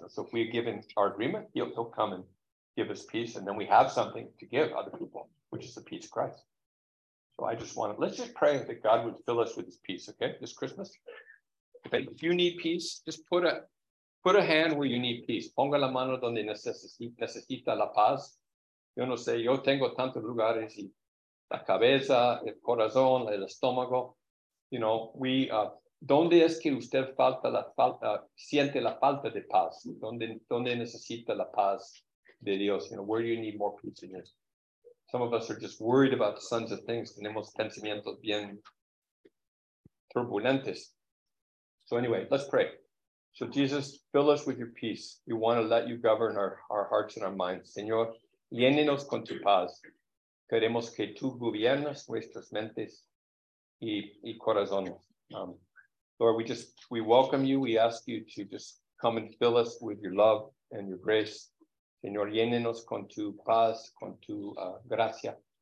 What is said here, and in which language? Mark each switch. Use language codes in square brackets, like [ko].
[en] You know, so if we give in our agreement, he'll come and give us peace, and then we have something to give other people, which is the peace of Christ. So I just want to, let's just pray that God would fill us with his peace, okay, this Christmas. But if you need peace, just put a hand where you need peace. [es] Ponga la mano donde necesita la paz. Yo no sé, yo tengo tantos lugares, y la cabeza, el corazón, el estómago. [en] You know, [es] ¿dónde es que usted siente la falta de paz? ¿Dónde necesita la paz de Dios? [en] You know, where do you need more peace in your... Some of us are just worried about the sons of things. [es] Tenemos pensamientos bien turbulentes. [en] So anyway, let's pray. So Jesus, fill us with your peace. We want to let you govern our hearts and our minds. [es] Señor, llénenos con tu paz. Queremos que tú gobiernes nuestras mentes y corazones. [en] Lord, we welcome you. We ask you to just come and fill us with your love and your grace. [es] Señor, llénenos con tu paz, con tu gracia.